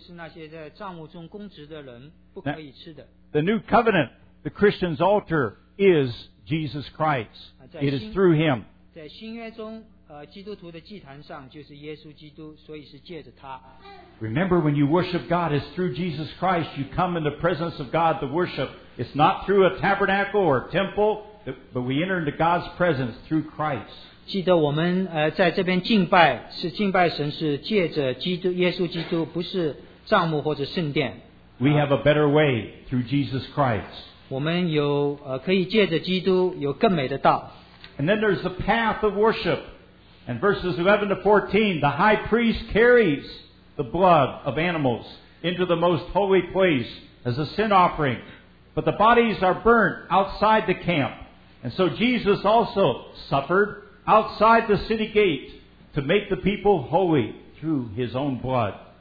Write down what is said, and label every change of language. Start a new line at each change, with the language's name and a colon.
Chinese: 我们有一祭坛上面的祭物是那些在帐幕中供职的人不可以吃的。
English: The new covenant, the Christian's altar, is Jesus Christ. It is through Him.
Chinese: 在新约中，基督徒的祭坛上就是耶稣基督，所以是借着他。
English: Remember, when you worship God, it's through Jesus Christ. You come in the presence of God to worship. It's not through a tabernacle or a temple, but we enter into God's presence through Christ.
Chinese: 记得我们在这边敬拜，是敬拜神，是借着基督耶稣基督，不是帐幕或者圣殿。
English: We have a better way through Jesus Christ.
Chinese: 我们有可以借着基督有更美的道。
English: And then there's the path of worship. And verses 11 to 14, the high priest carries the blood of animals into the most holy place as a sin offering. But the bodies are burnt outside the camp. And so Jesus also suffered outside the city gate to make the people holy through his own blood.